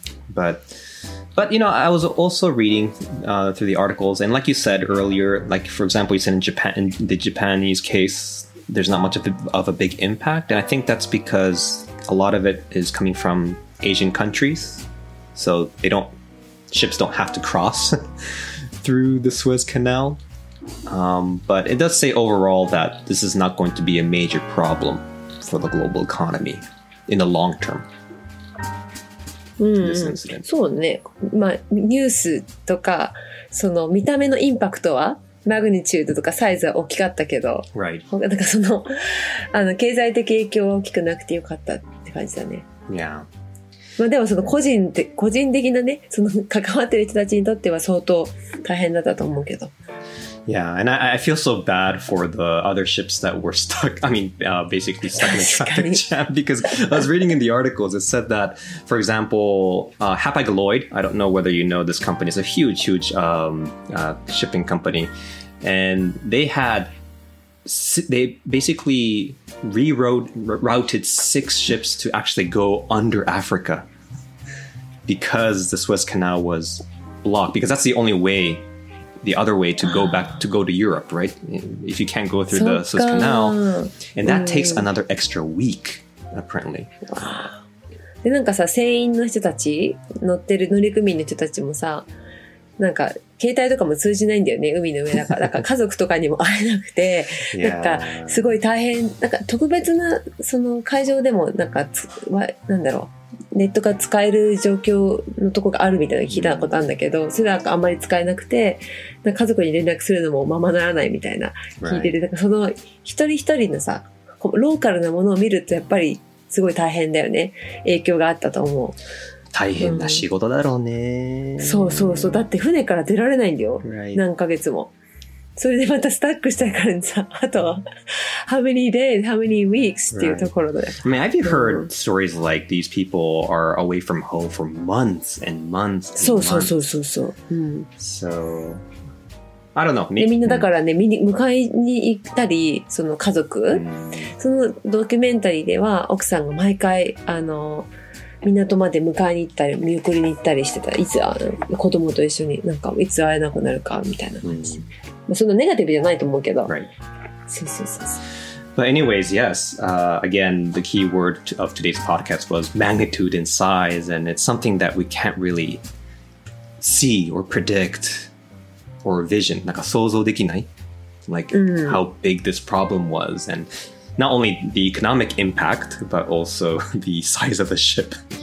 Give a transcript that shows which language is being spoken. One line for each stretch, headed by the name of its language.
English: But you know, I was also reading through the articles, and like you said earlier, like for example, you said in Japan, in the Japanese case, there's not much of a big impact, and I think that's because a lot of it is coming from Asian countries, so they don't, ships don't have to cross through the Suez Canal. But it does say overall that this is not going to be a major problem for the global economy in the long term.
Japanese: そうね、まあ、ニュースとかその見た目のインパクトはマグニチュードとかサイズは大きかったけど、
English: right.
Japanese: なんかその、あの経済的影響は大きくなくてよかったって感じだね。
English: Yeah.
Japanese: まあでもその個人的なね、その関わってる人たちにとっては相当大変だったと思うけど。
English: Yeah, and I feel so bad for the other ships that were stuck. I mean, basically stuck in a traffic jam. Because I was reading in the articles, it said that, for example, Hapag-Lloyd, I don't know whether you know this company, it's a huge, huge shipping company. And they had, they basically rerouted six ships to actually go under Africa. Because the Suez Canal was blocked. Because that's the only way, the other way to go back to go to Europe, right? If you can't go through the Suez Canal. And that takes another extra week, apparently.
Japanese: で、なんかさ、船員の人たち、乗ってる乗組員の人たちもさ、なんか携帯とかも通じないんだよね、海の上だから。だから家族とかにも会えなくて、なんかすごい大変、なんか特別なその会場でもなんかなんだろう。ネットが使える状況のとこがあるみたいな聞いたことあるんだけど、それはあんまり使えなくて、なんか家族に連絡するのもままならないみたいな聞いてて、なんかその一人一人のさ、ローカルなものを見るとやっぱりすごい大変だよね。影響があったと思う。大変な仕事だろうね。そうそうそう。だって船から出られないんだよ。何ヶ月も。それでまたスタックしたからさ、あと、
English: how many days, how many weeks
Japanese: っていうところで。
English: I mean, have you heard stories like these people are away from home for months and months and months?
Japanese: そうそうそうそう。
English: So, I don't know.
Japanese: で、みんなだからね、迎えに行ったり、その家族、そのドキュメンタリーでは奥さんが毎回、あの、港まで迎えに行ったり、見送りに行ったりしてた。いつ、子供と一緒に、なんか、いつ会えなくなるか、みたいな感じ。そのネガティブじゃないと思うけど。
English: Right.
Japanese: そうそうそうそう。
English: But anyways, yes. Again, the key word of today's podcast was magnitude and size, and it's something that we can't really see or predict or vision.
Japanese: なんか想像できない。
English: Like how big this problem was, and not only the economic impact, but also the size of the ship.